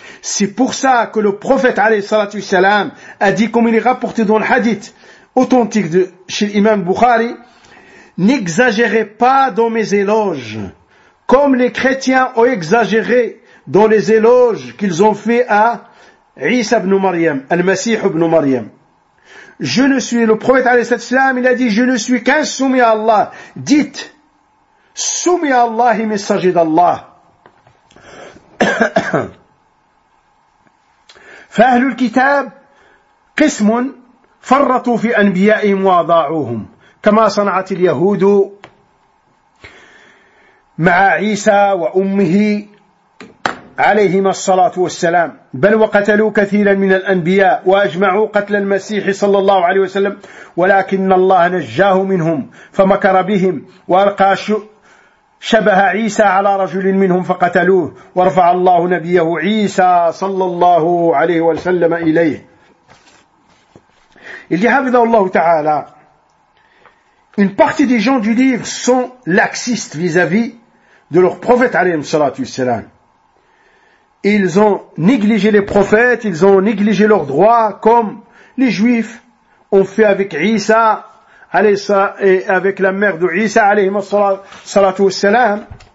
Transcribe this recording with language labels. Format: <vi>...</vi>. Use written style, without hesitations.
<fr>C'est pour ça que le prophète alayhi salatu wassalam a dit, comme il est rapporté dans le hadith authentique de chez l'imam Bukhari, n'exagérez pas dans mes éloges comme les chrétiens ont exagéré dans les éloges qu'ils ont fait à Isa ibn Maryam, al-Masih ibn Maryam. Je ne suis, le prophète alayhi salatu wassalam, il a dit, je ne suis qu'un soumis à Allah. Dites, soumis à Allah et messager d'Allah.</fr> <ar>فأهل الكتاب قسم فرطوا في أنبيائهم وأضاعوهم كما صنعت اليهود مع عيسى وأمه عليهما الصلاة والسلام، بل وقتلوا كثيرا من الأنبياء وأجمعوا قتل المسيح صلى الله عليه وسلم، ولكن الله نجاه منهم فمكر بهم وألقى شبه عيسى على رجل منهم فقتلوه، ورفع الله نبيه عيسى صلى الله عليه وسلم إليه.</ar> <fr>Il dit,</fr> <ar>حفظه الله تعالى,</ar> <fr>une partie des gens du livre sont laxistes vis-à-vis de leur prophète</fr> <ar>عليه الصلاة والسلام.</ar> <fr>Ils ont négligé les prophètes, ils ont négligé leurs droits, comme les juifs ont fait avec Isa et avec la mère de Isa alayhi salatu wassalam.</fr>